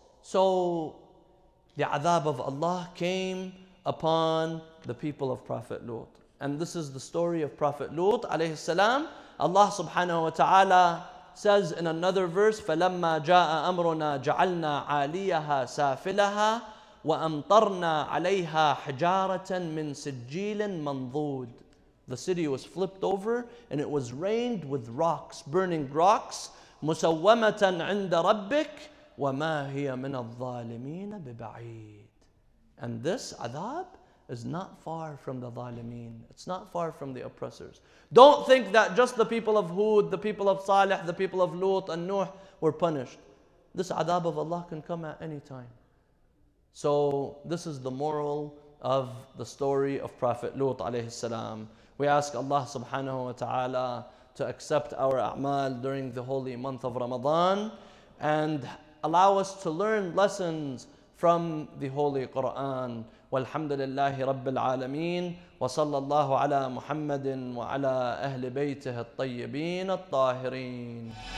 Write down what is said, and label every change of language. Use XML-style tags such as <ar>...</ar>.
<en>So the adab of Allah came upon the people of Prophet Lut. And this is the story of Prophet Lut alayhi salam. Allah subhanahu wa ta'ala says in another verse,</en> <ar>فَلَمَّا جَاءَ أَمْرُنَا جَعَلْنَا عَالِيَهَا سَافِلَهَا وَأَمْطَرْنَا عَلَيْهَا حِجَارَةً مِنْ سِجِّيلٍ مَنْضُودٍ.</ar> <en>The city was flipped over and it was rained with rocks, burning rocks.</en> <ar>مُسَوَّمَةً عِنْدَ رَبِّكَ وَمَا هِيَ مِنَ الظَّالِمِينَ بِبَعِيدٍ.</ar> <en>And this adab is not far from the zalimeen. It's not far from the oppressors. Don't think that just the people of Hud, the people of Saleh, the people of Lut and Nuh were punished. This adab of Allah can come at any time. So this is the moral of the story of Prophet Lut alayhi salam. We ask Allah subhanahu wa ta'ala to accept our a'mal during the holy month of Ramadan and allow us to learn lessons from the Holy Quran.</en> <ar>والحمد لله رب العالمين وصلى الله على محمد وعلى أهل بيته الطيبين الطاهرين</ar>